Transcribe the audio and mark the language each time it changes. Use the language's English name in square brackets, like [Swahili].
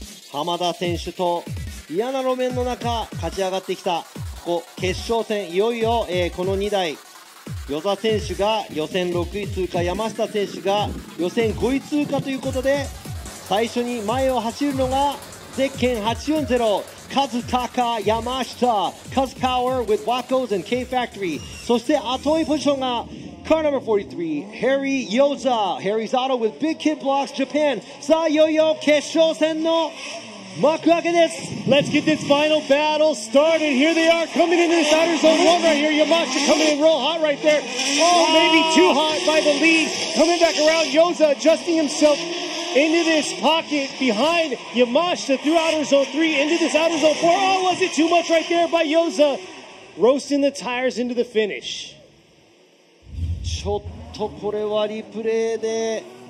[Japanese] 浜田選手と嫌な路面の中勝ち上がってきたここ決勝戦いよいよ、この2台与田選手が予選6位通過山下選手が予選5位通過ということで最初に前を走るのがゼッケン840カズタカ山下カズパワー with Wacko's and K-Factory そして後いポジションが [English] Car number 43, Harry Yoza. Harry's auto with Big Kid Blocks Japan. [Japanese] さあ、いよいよ決勝戦の幕開けです。 [English] Let's get this final battle started. Here they are coming into this outer zone one right here. Yamashita coming in real hot right there. Oh, maybe too hot by the lead. Coming back around, Yoza adjusting himself into this pocket behind Yamashita through outer zone three, into this outer zone four. Oh, was it too much right there by Yoza? Roasting the tires into the finish. [Japanese] ちょっとこれはリプレイで